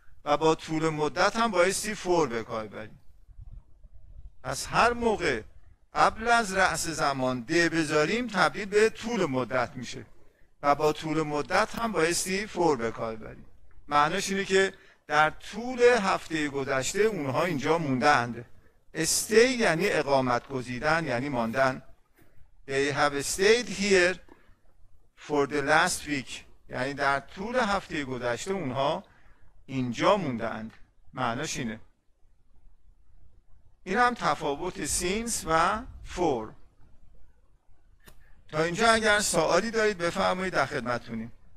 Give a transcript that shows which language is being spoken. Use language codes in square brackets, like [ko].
[fa] و با طول مدت هم بایستی فور به کار بریم. از هر موقع قبل از رأس زمان ده بذاریم تبدیل به طول مدت میشه و با طول مدت هم بایستی فور به کار بریم. معنیش اینه که در طول هفته گذشته اونها اینجا موندند. استی یعنی اقامت گزیدن، یعنی ماندن. [en] They have stayed here for the last week. [fa] یعنی در طول هفته گذشته اونها اینجا موندند. معنیش اینه. این هم تفاوت سینس و فور. تا اینجا اگر سوالی دارید بفرمایید در خدمتتونیم.